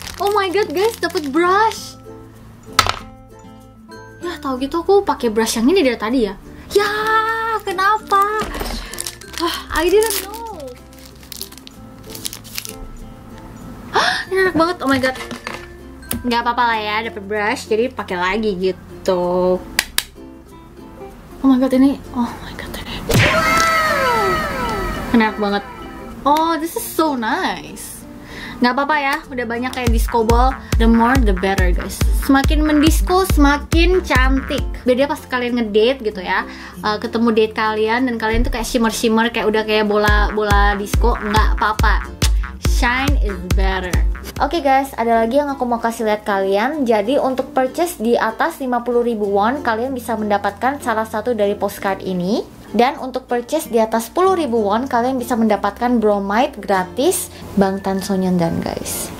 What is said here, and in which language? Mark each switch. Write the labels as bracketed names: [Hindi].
[English] Oh my god, guys, [Indonesian] dapet [English] brush. [Indonesian] Ya tahu gitu aku pakai brush yang ini dari tadi ya. Ya kenapa? [English] I didn't know. [Indonesian] Enak banget, [English] oh my god. [Indonesian] Nggak apa-apa lah ya, dapet brush, jadi pakai lagi gitu. [English] Oh my god, ini, oh my god, wow. [Indonesian] Enak banget. [English] Oh, this is so nice. [Indonesian] Nggak apa-apa ya, udah banyak kayak disco ball. [English] The more the better, guys. [Indonesian] Semakin mendisco, semakin cantik. Beda pas kalian ngedate gitu ya, ketemu date kalian dan kalian tuh kayak shimmer-shimmer, kayak udah kayak bola-bola disco. Nggak apa-apa, [English] shine is better. [Indonesian] Oke guys, ada lagi yang aku mau kasih lihat kalian. Jadi untuk purchase di atas 50.000 won, kalian bisa mendapatkan salah satu dari postcard ini. Dan untuk purchase di atas 10.000 won, kalian bisa mendapatkan bromide gratis Bangtan Sonyeondan, guys.